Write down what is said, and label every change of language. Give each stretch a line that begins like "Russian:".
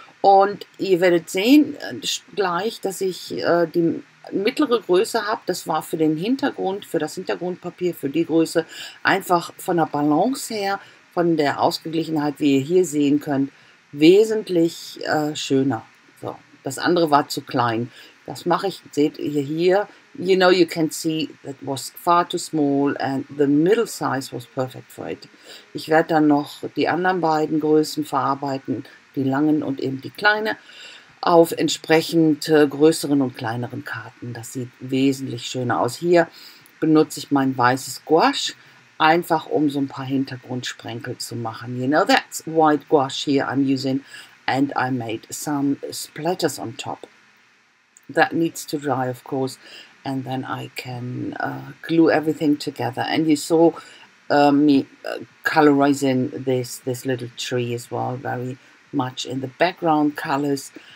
German: Und ihr werdet sehen gleich, dass ich die mittlere Größe habe. Das war für den Hintergrund, für das Hintergrundpapier, für die Größe, einfach von der Balance her, von der Ausgeglichenheit, wie ihr hier sehen könnt, wesentlich schöner. So, das andere war zu klein. Das mache ich, seht ihr hier,
English: you know, you can see that was far too small and the middle size was perfect for it.
German: Ich werde dann noch die anderen beiden Größen verarbeiten, die langen und eben die kleine, auf entsprechend größeren und kleineren Karten. Das sieht wesentlich schöner aus. Hier benutze ich mein weißes Gouache, einfach um so ein paar Hintergrundsprenkel zu machen.
English: You know, that's white gouache here I'm using, and I made some splatters on top. That needs to dry, of course, and then I can glue everything together. And you saw me colorizing this little tree as well, very much in the background colors.